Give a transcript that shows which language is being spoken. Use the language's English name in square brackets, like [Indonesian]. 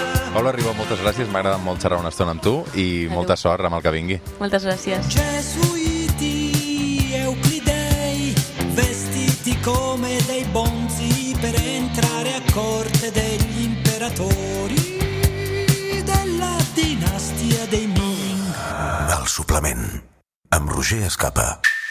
[Catalan] Paula Ribó, moltes gràcies. M'ha agradat molt xerrar una estona amb tu i adéu. Molta sort amb el que vingui. Moltes gràcies. [Italian] Gesuiti euclidei, vestiti come dei bonzi per entrare a corte degli imperatori della dinastia dei Ming. [Catalan] El suplement amb Roger Escapa.